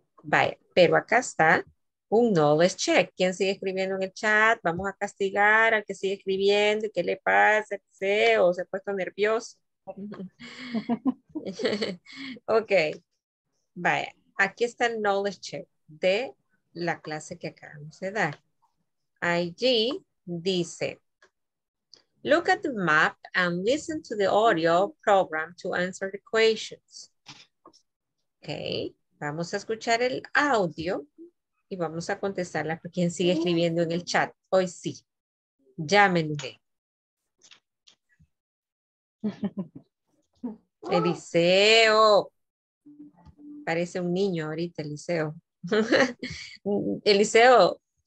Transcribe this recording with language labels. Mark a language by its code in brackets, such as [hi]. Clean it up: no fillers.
[es] Vaya, pero acá está un knowledge check. ¿Quién sigue escribiendo en el chat? Vamos a castigar al que sigue escribiendo. ¿Qué le pasa? ¿El CEO? ¿Se ha puesto nervioso? Ok, vaya, aquí está el knowledge check de la clase que acabamos de dar. Allí dice, [en] look at the map and listen to the audio program to answer the questions. [es] Ok, vamos a escuchar el audio y vamos a contestarla por quien sigue escribiendo en el chat. Hoy sí, llámenme. Eliseo. Parece un niño ahorita, Eliseo. Eliseo.